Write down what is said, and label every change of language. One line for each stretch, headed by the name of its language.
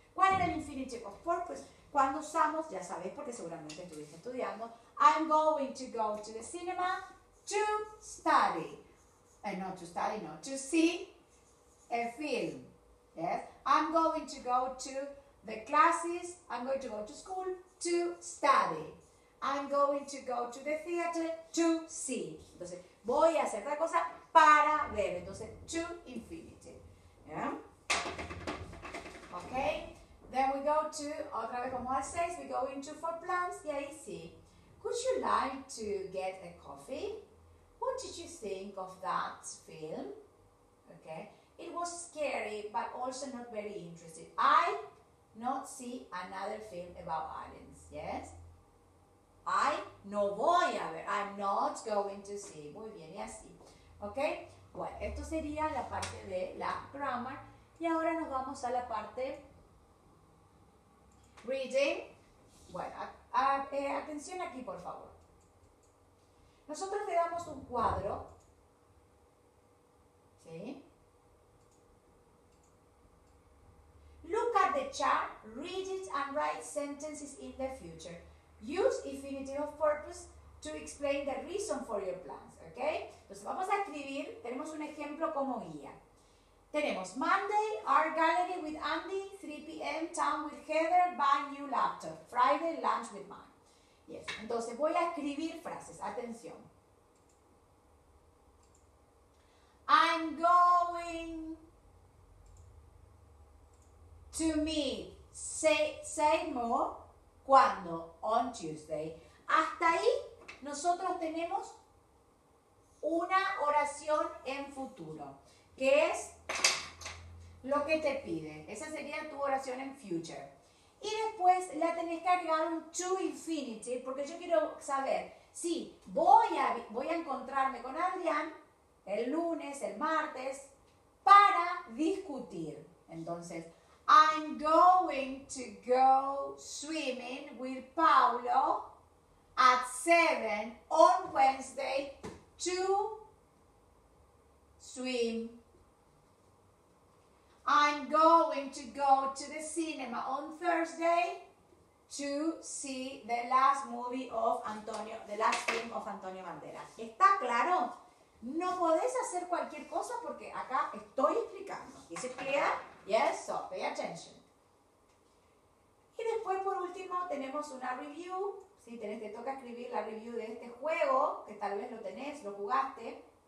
Spanish: ¿Cuál era el
English: infinitive of purpose?
Spanish: Cuando usamos, ya sabéis porque seguramente estuviste estudiando,
English: I'm going to go to the cinema to study. No to study, no, to see a film. Yes? I'm going to go to the classes, I'm going to go to school to study. I'm going to go to the theater to see.
Spanish: Entonces, voy a hacer otra cosa para ver.
English: Entonces, to infinitive. Yeah? Ok. Then we go to,
Spanish: otra vez como al 6,
English: we go into for plans,
Spanish: y ahí sí.
English: Would you like to get a coffee? What did you think of that film? Okay. It was scary, but also not very interesting. I not see another film about aliens, yes? I
Spanish: no voy a ver,
English: I'm not going to see.
Spanish: Muy bien, y así. Okay. Bueno, esto sería la parte de la grammar, y ahora nos vamos a la parte reading. Bueno, atención aquí, por favor. Nosotros le damos un cuadro. ¿Sí?
English: Look at the chart, read it and write sentences in the future. Use infinitive of purpose to explain the reason for your plans. ¿Ok?
Spanish: Entonces vamos a escribir, tenemos un ejemplo como guía.
English: Tenemos Monday, art gallery with Andy, 3 p.m., town with Heather, buy new laptop. Friday, lunch with mom. Yes.
Spanish: Entonces voy a escribir frases. Atención.
English: I'm going to meet Seymour,
Spanish: ¿cuándo?
English: On Tuesday.
Spanish: Hasta ahí nosotros tenemos una oración en futuro, que es lo que te pide. Esa sería tu oración en future. Y después la tenés que agregar un to infinitive porque yo quiero saber si voy a encontrarme con Adrián el lunes, el martes, para discutir.
English: Entonces, I'm going to go swimming with Paulo at 7 on Wednesday to swim. I'm going to go to the cinema on Thursday to see the last movie of Antonio, the last film of Antonio Banderas.
Spanish: ¿Está claro? No podés hacer cualquier cosa porque acá estoy explicando. ¿Es clear?
English: Yes, so pay attention.
Spanish: Y después, por último, tenemos una review. Si tenés, te toca escribir la review de este juego, que tal vez lo tenés, lo jugaste.